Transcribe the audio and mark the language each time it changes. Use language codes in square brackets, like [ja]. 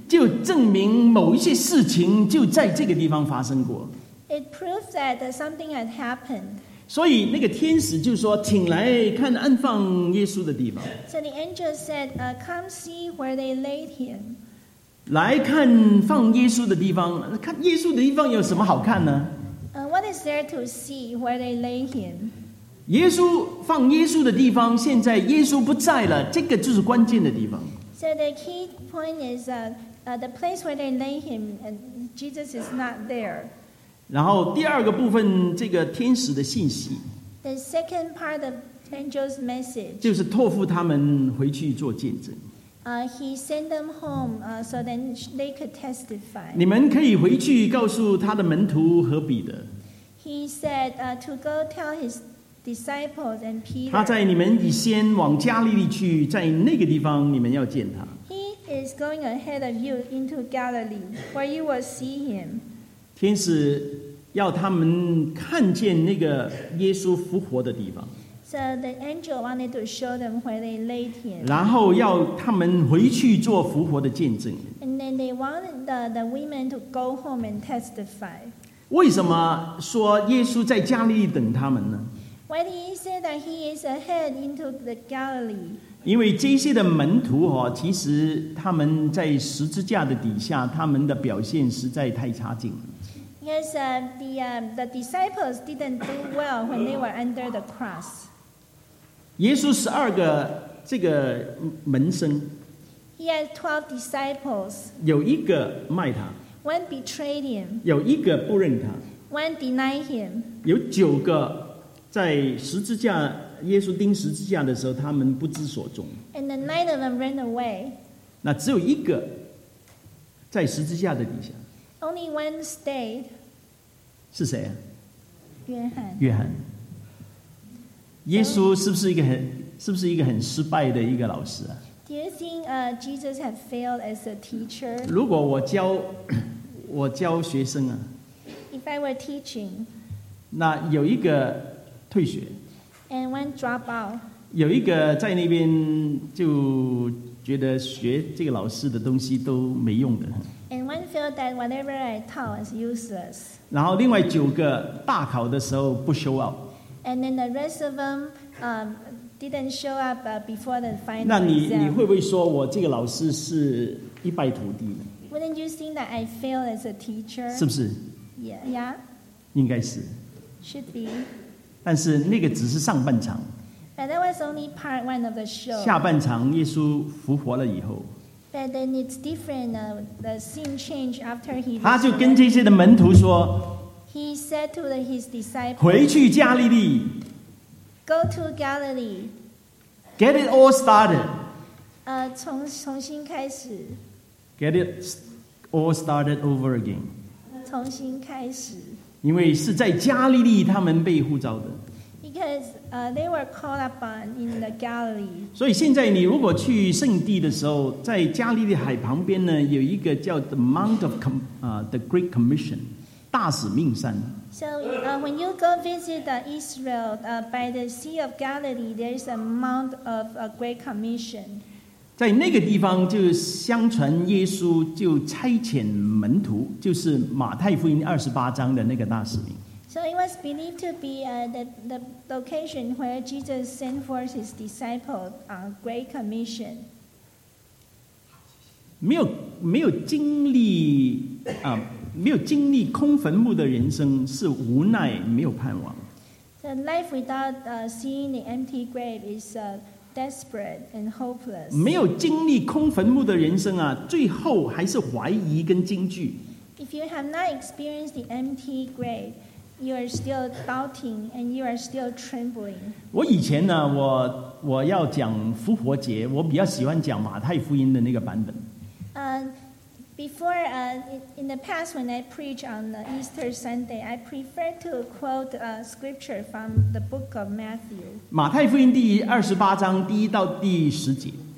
[zh] 就证明某一些事情就在这个地方发生过。 [en] It proves that something had happened. [zh] 所以那个天使就说, 请来看安放耶稣的地方。 [en] So the angel said, come see where they laid him. [zh] 来看放耶稣的地方, 看耶稣的地方有什么好看呢? [en] What is there to see where they lay him? [zh] 耶稣放耶稣的地方, 现在耶稣不在了, 这个就是关键的地方。 [en] So the key point is the place where they lay him, and Jesus is not there. [zh] 然后第二个部分, 这个天使的信息, [en] the second part of angel's message, [zh] 就是托付他们回去做见证。 [en] He sent them home so then they could testify. [zh] 你们可以回去告诉他的门徒和彼得。 [en] He said to go tell his disciples and Peter. [zh] 他在你们以先往加利利去, 在那个地方你们要见他。 [en] He is going ahead of you into Galilee, where you will see him. [zh] 天使要他们看见那个耶稣复活的地方。 [en] So the angel wanted to show them where they laid him. [zh] 然后要他们回去做复活的见证。 [en] And then they wanted the women to go home and testify. [zh] 为什么说耶稣在加利利等他们呢？ [en] Why did he say that he is ahead into the Galilee? [zh] 因为这些的门徒其实他们在十字架的底下，他们的表现实在太差劲了。 [en] Yes, the disciples didn't do well when they were under the cross. [zh] 耶稣十二个这个门生。 [en] He had 12 disciples. [zh] 有一个卖他。 [en] One betrayed him. [zh] 有一个不认他。 [en] One denied him. [zh] 有九个在十字架，耶稣钉十字架的时候，他们不知所踪。 [en] And the 9 of them ran away. [zh] 那只有一个在十字架的底下。 [en] Only one stayed. [zh] 是谁啊？约翰。耶稣是不是一个很失败的一个老师啊 [en] ？Do you think Jesus had failed as a teacher? [zh] 如果我教学生啊 [en] ，If I were teaching, [zh] 那有一个退学 [en] ，and one drop out. [zh] 有一个在那边就觉得学这个老师的东西都没用的。 [en] And one felt that whatever I taught was useless. [zh] 然后另外九个大考的时候不 [en] show up. And then the rest of them didn't show up before the final. [zh] 那你会不会说我这个老师是一败涂地呢？ [en] Wouldn't you think that I failed as a teacher? [zh] 是不是？ [en] Yeah. [zh] 应该是。 [en] Should be. [zh] 但是那个只是上半场。 [en] But that was only part one of the show. [zh] 下半场耶稣复活了以后。 [en] But then it's different. The scene changed after he. [zh] 他就跟这些的门徒说。 [en] He said to his disciples. [zh] 回去加利利。 [en] Go to Galilee. Get it all started. [zh] 重新开始。 [en] Get it all started over again. [zh] 重新开始。因为是在加利利他们被呼召的。 [en] Because they were called upon in the Galilee. [zh] 所以现在你如果去圣地的时候，在加利利海旁边呢，有一个叫 the Mount of the Great Commission, 大使命山。 [en] So when you go visit Israel by the Sea of Galilee, there is a Mount of a Great Commission. [zh] 在那个地方，就相传耶稣就差遣门徒，就是马太福音二十八章的那个大使命。 [en] So it was believed to be the location where Jesus sent forth his disciples on Great Commission. [zh] 没有经历空坟墓的人生是无奈没有盼望。 [en] The life without seeing the empty grave is desperate and hopeless. [zh] 没有经历空坟墓的人生啊，最后还是怀疑跟惊惧。 [en] If you have not experienced the empty grave. You are still doubting and you are still trembling. [zh] 我以前呢，我要讲复活节，我比较喜欢讲马太福音的那个版本。 [en] Before in the past when I preach on the Easter Sunday, I prefer to quote a scripture from the book of Matthew. [zh] 马太福音第二十八章第一到第十节。